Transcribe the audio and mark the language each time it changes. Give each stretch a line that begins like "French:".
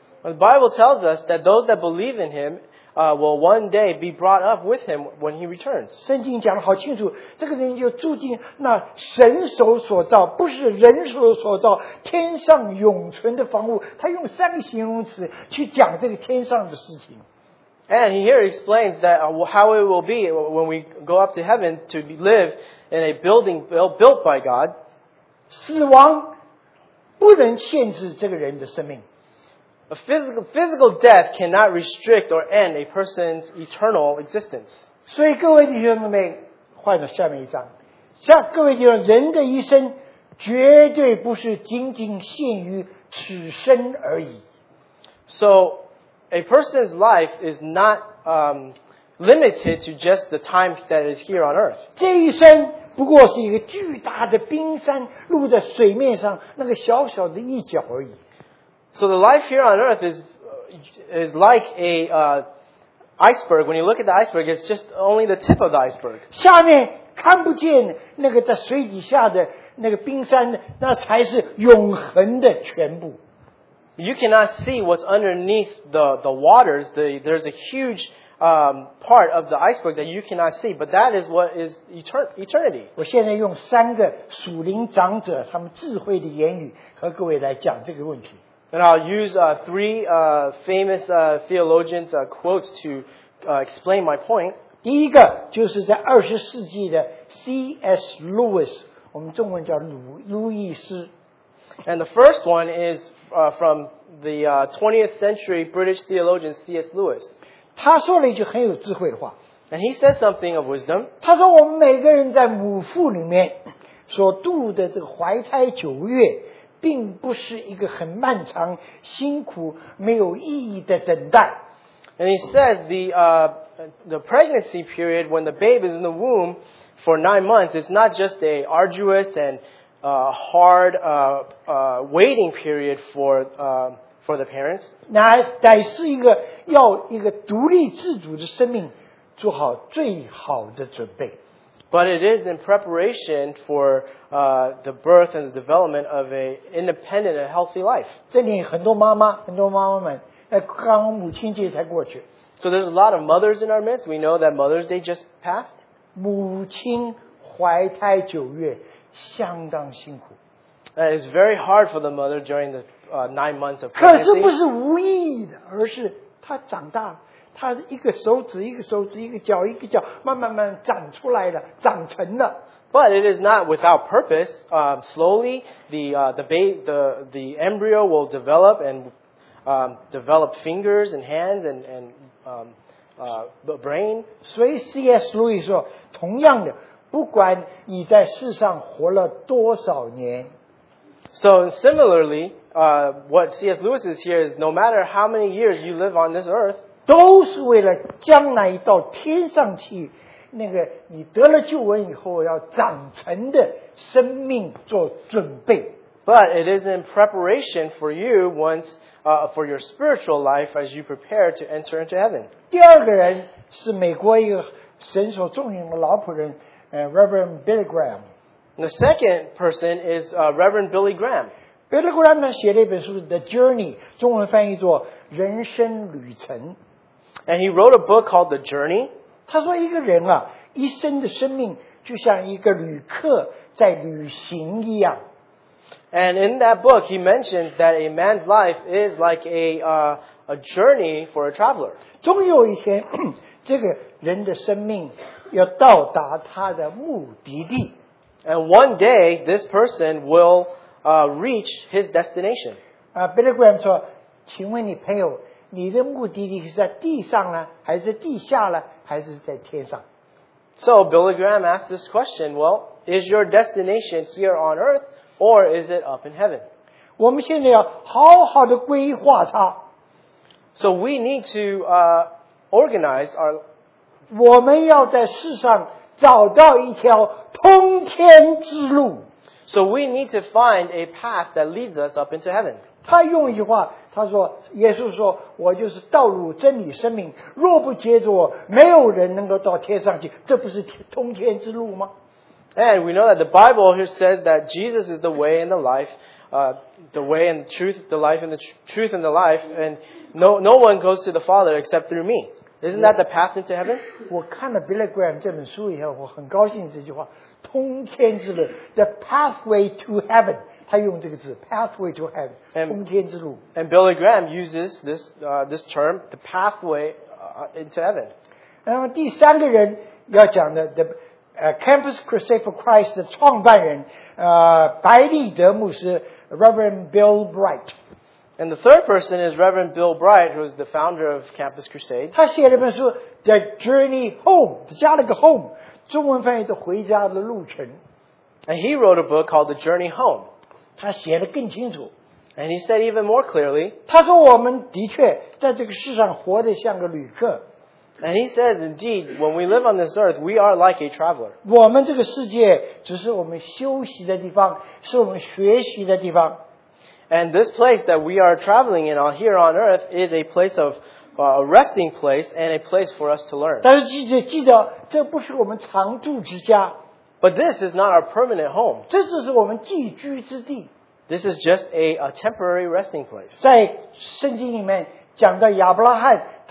English: The Bible tells us that those that believe in him, will one day be brought up with him when he returns.
Chinese: 圣经讲得好清楚，这个人就住进那神手所造，不是人手所造，天上永存的房屋。他用三个形容词去讲这个天上的事情。
English: And he here explains that how it will be when we go up to heaven to live in a building built by God.
Chinese: 死亡不能限制这个人的生命。
English: A physical death cannot restrict or end a person's eternal existence.
Chinese: 所以各位弟兄姊妹，换到下面一张。像各位弟兄，人的一生绝对不是仅仅限于此生而已。
English: So, a person's life is not limited to just the time that is here on earth.
Chinese: 这一生不过是一个巨大的冰山露在水面上那个小小的一角而已。
English: So the life here on earth is like a iceberg. When you look at the iceberg, it's just only the tip of the iceberg.
Chinese: 下面看不见那个在水底下的那个冰山，那才是永恒的全部。
English: You cannot see what's underneath the waters. There's a huge part of the iceberg that you cannot see, but that is what is eternity.
Chinese: 我现在用三个属灵长者他们智慧的言语和各位来讲这个问题。
English: And I'll use three famous theologians quotes to explain my point.
Chinese: 第一个就是在二十世纪的 C.S. Lewis， 我们中文叫卢易斯。
English: And the first one is from the 20th century British theologian C.S. Lewis.
Chinese: 他说了一句很有智慧的话。
English: And he said something of wisdom.
Chinese: 他说我们每个人在母腹里面所度的这个怀胎九月。并不是一个很漫长、辛苦、没有意义的等待。
English: And he said the pregnancy period when the babe is in the womb for 9 months is not just a arduous and hard waiting period for the parents.
Chinese: 那乃是一个要一个独立自主的生命做好最好的准备。
English: But it is in preparation for the birth and the development of an independent and healthy life.
Chinese: 这里很多妈妈们，刚母亲节才过去。
English: So there's a lot of mothers in our midst. We know that Mother's Day just passed.
Chinese: 母亲怀胎九月，相当辛苦。
English: And it's very hard for the mother during the 9 months of
Chinese: pregnancy. 可是不是无意义的，而是她长大了。他一个手指一个手指一个脚一个脚慢慢慢长出来的长成了。
English: But it is not without purpose. Slowly, the embryo will develop and develop fingers and hands and the brain.
Chinese: 所以 C.S. Lewis 说，同样的，不管你在世上活了多少年。
English: So similarly, what C.S. Lewis is here is no matter how many years you live on this earth.
Chinese: 都是为了将来到天上去，那个你得了救恩以后要长成的生命做准备。
English: But it is in preparation for you once for your spiritual life as you prepare to enter into heaven.
Chinese: 第二个人是美国一个神所重用的老仆人，Reverend Billy Graham.
English: The second person is Reverend Billy Graham.
Chinese: Billy Graham 写了一本书《The Journey》，中文翻译作《人生旅程》。
English: And he wrote a book called The Journey.
Chinese: 他说一个人啊，一生的生命就像一个旅客在旅行一样。
English: And in that book, he mentioned that a man's life is like a journey for a traveler.
Chinese: 终有一天，这个人的生命要到达他的目的地。
English: And one day, this person will reach his destination.
Chinese: Billy Graham 说，请问你朋友。你的目的地是在地上呢，还是地下呢，还是在天上
English: ？So Billy Graham asked this question. Well, is your destination here on earth, or is it up in heaven?
Chinese: 我们现在要好好的规划它。
English: So we need to organize our.
Chinese: 我们要在世上找到一条通天之路。
English: So we need to find a path that leads us up into heaven.
Chinese: 他用一句话。他说：“耶稣说，我就是道路、真理、生命。若不借着我，没有人能够到天上去。这不是通天之路吗
English: ？”And we know that the Bible here says that Jesus is the way and the life, the way and the truth, the life and the truth and the life. And no one goes to the Father except through me. Isn't that the path into heaven?
Chinese: 我看了 Billy Graham 这本书以后，我很高兴这句话：“通天之路 ，
English: the pathway to heaven。”
Chinese: 他用这个字
English: pathway to heaven,
Chinese: 通天之路。
English: And Billy Graham uses this term, the pathway into heaven.
Chinese: 然后第三个人要讲的 the Campus Crusade for Christ 的创办人白利德牧师 Reverend Bill Bright.
English: And the third person is Reverend Bill Bright, who is the founder of Campus Crusade.
Chinese: 他写了一本书 The Journey Home, 加了个 home, 中文翻译是回家的路程。
English: And he wrote a book called The Journey Home.
Chinese: 他写得更清楚。
English: And he said even more clearly,
Chinese: 他说我们的确在这个世上活得像个旅客。
English: And he says, indeed, when we live on this earth, we are like a traveler.
Chinese: 我们这个世界只是我们休息的地方，是我们学习的地方。
English: And this place that we are traveling in here on earth is a place of a resting place and a place for us to learn.
Chinese: 但是记得，这不是我们常住之家。
English: But this is not our permanent home.
Chinese: 这只是我们寄居之地。
English: This is just a temporary resting place.
Chinese: 在圣经里面讲的亚伯拉罕。